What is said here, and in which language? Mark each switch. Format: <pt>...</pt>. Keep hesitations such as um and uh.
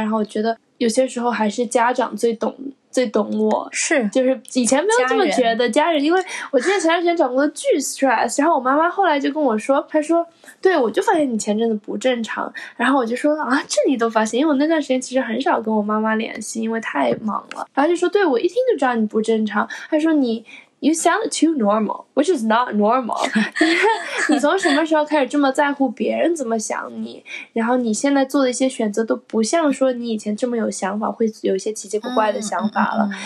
<zh>然后我觉得有些时候还是家长最懂。最懂我是，就是以前没有这么觉得家人，因为我记得前段时间找工作巨 stress，然后我妈妈后来就跟我说，她说，对，我就发现你前阵子不正常，然后我就说啊，这你都发现，因为我那段时间其实很少跟我妈妈联系，因为太忙了，然后就说，对，我一听就知道你不正常，她说你。</zh> <en>You sound too normal, which is not normal.</en> <zh>你看，你从什么时候开始这么在乎别人怎么想你？然后你现在做的一些选择都不像说你以前这么有想法，会有一些奇奇怪怪的想法了。</zh>